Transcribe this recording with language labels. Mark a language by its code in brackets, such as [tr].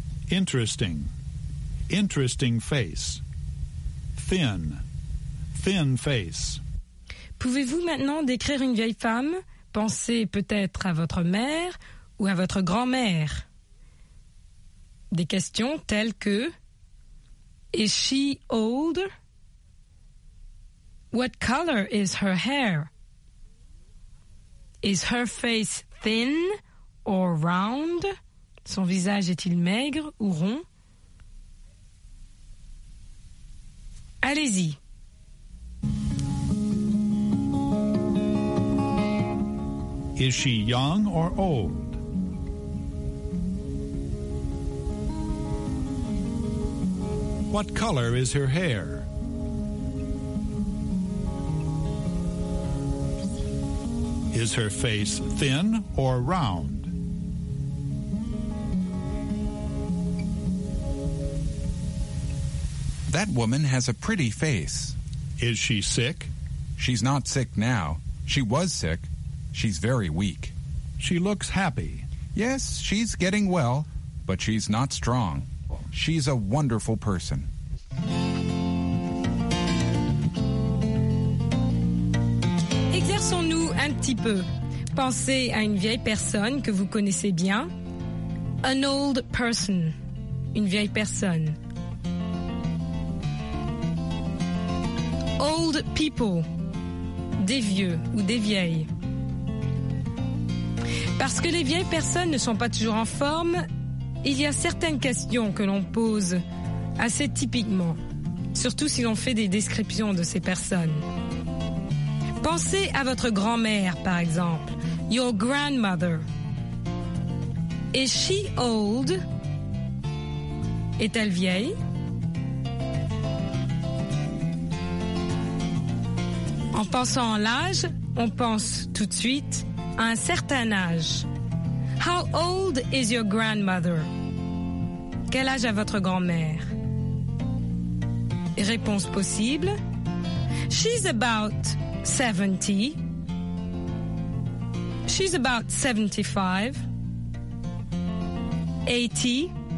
[en] Interesting, interesting face. Thin, thin face. [fr] Pouvez-vous maintenant décrire une vieille femme Pensez peut-être à votre mère ou à votre grand-mère. Des questions telles que [en] Is she older? What color is her hair? Is her face thin or round? [fr] Son visage est-il maigre ou rond? Allez-y. [en] Is she young or old? What color is her hair? Is her face thin or round? That woman has a pretty face. Is she sick? She's not sick now. She was sick. She's very weak. She looks happy. Yes, she's getting well, but she's not strong. She's a wonderful person. [fr] Exerçons-nous un petit peu. Pensez à une vieille personne que vous connaissez bien. [en] An old person. [fr] Une vieille personne. [en] Old people. [fr] Des vieux ou des vieilles. Parce que les vieilles personnes ne sont pas toujours en forme, il y a certaines questions que l'on pose assez typiquement, surtout si l'on fait des descriptions de ces personnes. Pensez à votre grand-mère, par exemple. [en] Your grandmother. Is she old? [fr] Est-elle vieille? En pensant à l'âge, on pense tout de suite à un certain âge. [en] How old is your grandmother? [fr] Quel âge a votre grand-mère? Réponse possible. [en] She's about 70. She's about 75. 80.